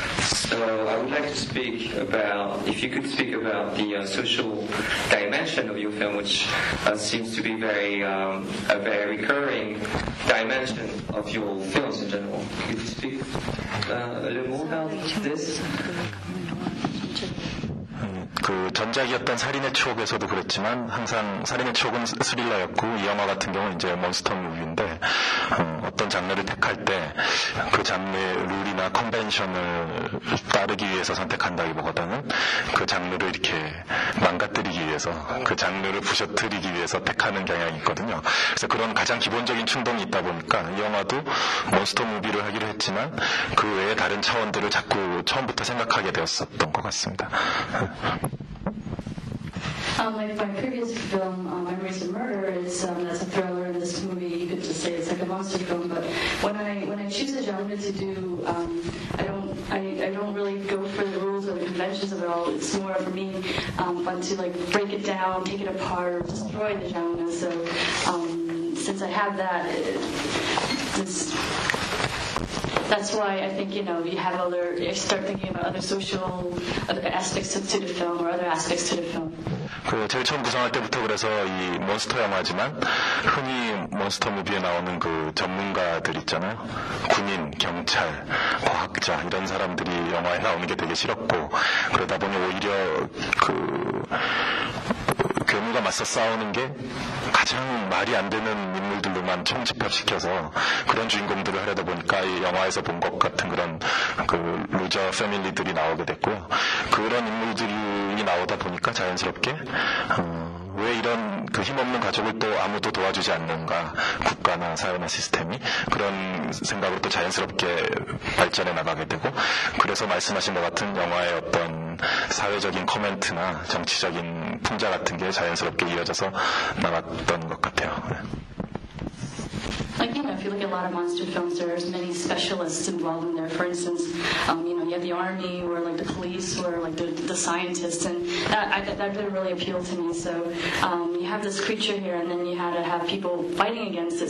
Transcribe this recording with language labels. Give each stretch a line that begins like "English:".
English: So I would like to speak about, if you could speak about the social dimension of your film, which seems to be very a very recurring dimension of your films in general. Could you speak a little more about this?
Korean: 그 전작이었던 살인의 추억에서도 그랬지만 항상 살인의 추억은 스릴러였고 이 영화 같은 경우는 이제 몬스터 무비인데 어떤 어떤 장르를 택할 때 그 장르의 룰이나 컨벤션을 따르기 위해서 선택한다기보다는 그 장르를 이렇게 망가뜨리기 위해서 그 장르를 부셔뜨리기 위해서 택하는 경향이 있거든요. 그래서 그런 가장 기본적인 충동이 있다 보니까 이 영화도 몬스터 무비를 하기로 했지만 그 외에 다른 차원들을 자꾸 처음부터 생각하게 되었었던 것 같습니다.
English: Like my previous film, Memories of Murder, is that's a thriller. In this movie, you could just say it's like a monster film. But when I choose a genre to do, I don't really go for the rules or the conventions of it all. It's more for me fun to like break it down, take it apart, destroy the genre. So since I have that, that's why I think, you know, you have other, you start thinking about other social aspects to the film or other aspects to the film.
Korean: 그 제일 처음 구성할 때부터 그래서 이 몬스터 영화지만 흔히 몬스터 무비에 나오는 그 전문가들 있잖아요. 군인, 경찰, 과학자 이런 사람들이 영화에 나오는 게 되게 싫었고 그러다 보니 오히려 그 괴물과 맞서 싸우는 게 가장 말이 안 되는 인물들로만 총집합시켜서 그런 주인공들을 하려다 보니까 이 영화에서 본 것 같은 그런 그 루저 패밀리들이 나오게 됐고요. 그런 인물들이 나오다 보니까 자연스럽게 왜 이런 그 힘없는 가족을 또 아무도 도와주지 않는가 국가나 사회나 시스템이 그런 생각으로 또 자연스럽게 발전해 나가게 되고 그래서 말씀하신 것 같은 영화의 어떤 사회적인 코멘트나 정치적인 풍자 같은 게 자연스럽게 이어져서 나왔던 것 같아요.
English: Like, you know, if you look at a lot of monster films, there's many specialists involved in there. For instance, you know, you have the army or, like, the police or, like, the scientists, and that didn't really appeal to me. So you have this creature here, and then you had to have people fighting against it.